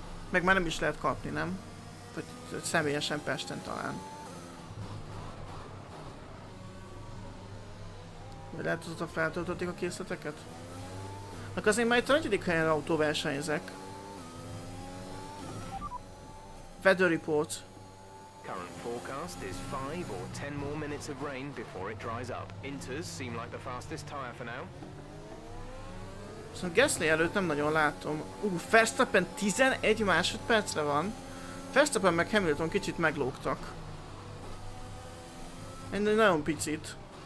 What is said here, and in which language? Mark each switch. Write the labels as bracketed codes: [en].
[hu] Meg már nem is lehet kapni, nem? Vagy személyesen Pesten talán. Vagy lehet, hogy ott feltöltötték a készleteket? Akkor azért már itt a negyedik helyen autóversenyzek. [en] Weather report. Current forecast is 5 or 10 more minutes of rain before it dries up. Inters seem like the fastest tire for now. [hu] Szóval Gasly előtt nem nagyon látom. Verstappen 11 másodpercre van. Verstappen meg Hamilton kicsit meglógtak. Egy nagyon picit.